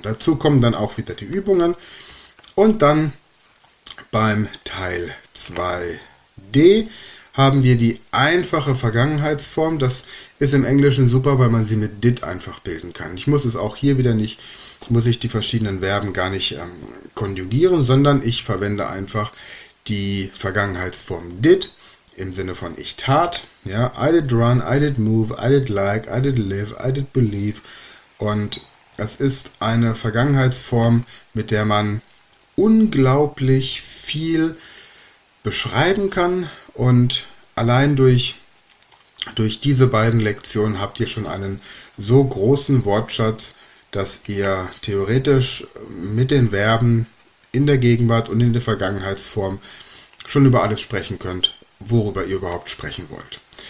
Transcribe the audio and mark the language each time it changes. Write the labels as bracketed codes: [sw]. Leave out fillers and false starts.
[de] Dazu kommen dann auch wieder die Übungen. Und dann beim Teil 2d haben wir die einfache Vergangenheitsform. Das ist im Englischen super, weil man sie mit did einfach bilden kann. Ich muss es auch hier wieder nicht, muss ich die verschiedenen Verben gar nicht konjugieren, sondern ich verwende einfach die Vergangenheitsform did im Sinne von ich tat. [en] Ja, I did run, I did move, I did like, I did live, I did believe. [de] Und das ist eine Vergangenheitsform, mit der man unglaublich viel beschreiben kann. Und allein durch diese beiden Lektionen habt ihr schon einen so großen Wortschatz, dass ihr theoretisch mit den Verben in der Gegenwart und in der Vergangenheitsform schon über alles sprechen könnt, worüber ihr überhaupt sprechen wollt.